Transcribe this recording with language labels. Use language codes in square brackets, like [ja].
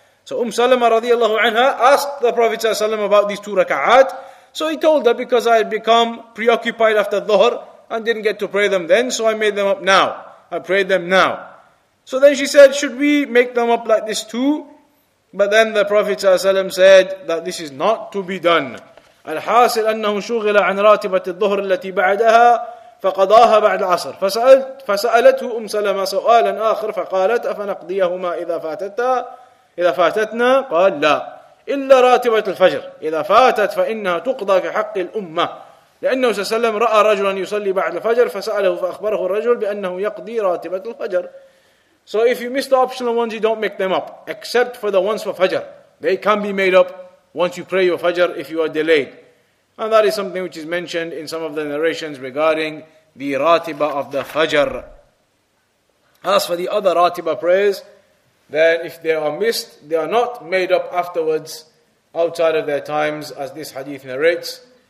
[en] So Salama radiallahu anha asked the Prophet ﷺ about these two raka'at. So he told her, because I had become preoccupied after Dhuhr and didn't get to pray them then, so I made them up now. I prayed them now. So then she said, should we make them up like this too? But then the Prophet ﷺ said that this is not to be done. [ar] الحاصل أنه شغل عن راتبة الظهر التي بعدها فقضاها بعد العصر. فسألته سلمة سؤالا آخر فقالت أفنقضيهما إذا فاتتنا قال لا. إلا راتبة الفجر إذا فاتت فإنها تقضى في حق الأمة لأنه سلم رأى رجلا يصلي بعد الفجر فسأله فأخبره الرجل بأنه يقضي راتبة الفجر. [en] So if you miss the optional ones, you don't make them up except for the ones for Fajr. They can be made up once you pray your Fajr if you are delayed. And that is something which is mentioned in some of the narrations regarding the ratiba of the Fajr. As for the other ratiba prayers, then if they are missed, they are not made up afterwards outside of their times, as this hadith narrates.